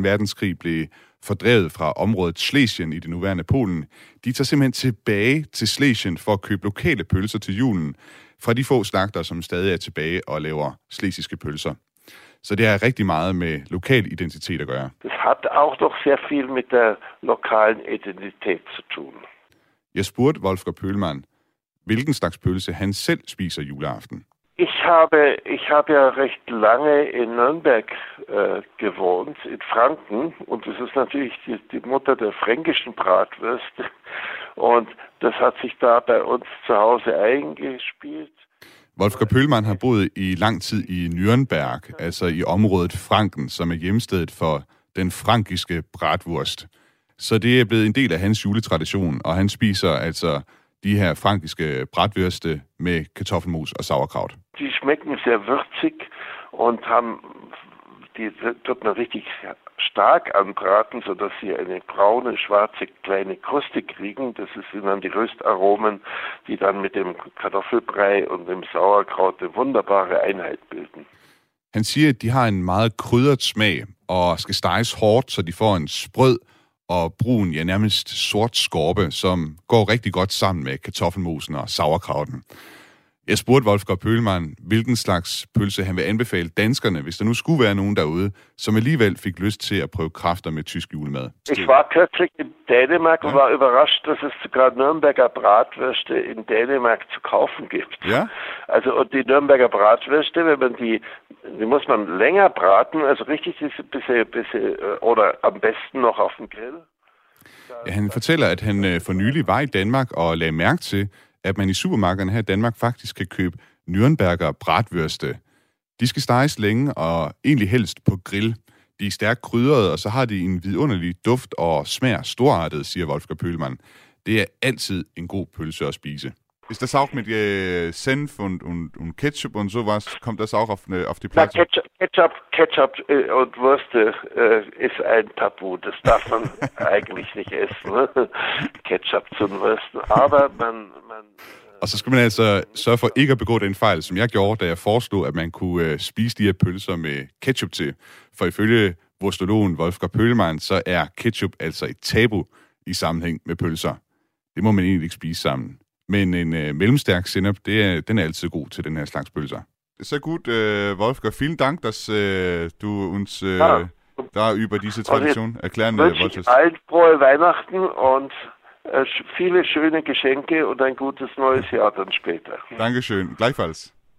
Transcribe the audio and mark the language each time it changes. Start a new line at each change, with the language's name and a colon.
Danish: verdenskrig blev fordrevet fra området Schlesien i det nuværende Polen, de tager simpelthen tilbage til Schlesien for at købe lokale pølser til julen fra de få slagter, som stadig er tilbage og laver schlesiske pølser. Så det har rigtig meget med lokal identitet at gøre. Det har også noget
German: sehr viel
Danish: med
German: der lokalen
Danish: identitet at
German: tun.
Danish: Jeg spurgte Wolfgang Pöhlmann, hvilken slags pølse han selv spiser juleaften.
German: Ich habe ja recht lange in Nürnberg gewohnt, in Franken, und das ist natürlich die Mutter der fränkischen Bratwürste, und das hat sich da bei uns zu Hause eingespielt.
Danish: Wolfgang Pöhlmann har boet i lang tid i Nürnberg, altså i området Franken, som er hjemstedet for den frankiske bratwurst. Så det er blevet en del af hans juletradition, og han spiser altså de her frankiske bratwürste med kartoffelmus og sauerkraut. De smager
German: sehr würzig und haben die tut man richtig stark anbraten, so dass sie eine braune, schwarze kleine Kruste kriegen. Das sind dann die Röstaromen, die dann mit dem Kartoffelbrei und dem Sauerkraut eine wunderbare Einheit bilden.
Danish: Han siger, at de har en meget krydret smag og skal steges hårdt, så de får en sprød og brun, ja nærmest sort skorpe, som går rigtig godt sammen med kartoffelmosen og sauerkrauten. Jeg spurgte Wolfgang Pöhlmann, hvilken slags pølse han vil anbefale danskerne, hvis der nu skulle være nogen derude, som alligevel fik lyst til at prøve kræfter med tysk julemad.
German: Ich war kürzlich in Dänemark und war überrascht, dass es gerade Nürnberger Bratwürste in Dänemark zu kaufen gibt. Ja? Also und die Nürnberger Bratwürste, wenn man die muss man länger braten, also richtig diese bisschen oder am besten noch auf dem Grill.
Danish: Ja, han fortæller, at han for nylig var i Danmark og lagde mærke til, at man i supermarkederne her i Danmark faktisk kan købe Nürnberger bratwürste. De skal steges længe og egentlig helst på grill. De er stærkt krydrede, og så har de en vidunderlig duft og smager storartet, siger Wolfgang Pølmann. Det er altid en god pølse at spise. Hvis der sagt med
German: senf und ketchup und sowas, kommt das auch auf die Platte? Ketchup und Würste ist ein Tabu. Das darf man eigentlich nicht essen. Ketchup zu den Würsten. Aber man
Danish: Og så skal man altså sørge for ikke at begå den fejl, som jeg gjorde, da jeg foreslog, at man kunne spise de her pølser med ketchup til. For ifølge vurstologen Wolfgang Pølmann, så er ketchup altså et tabu i sammenhæng med pølser. Det må man egentlig ikke spise sammen. Men en mellemstærk sennep, den er altid god til den her slags pølser. Så godt, Wolfgang.
German: Vielen Dank, dass du uns da über diese Tradition erklären wolltest. Ich wünsche allen frohe Weihnachten und viele schöne Geschenke und ein gutes neues Jahr dann später. Dankeschön, gleichfalls.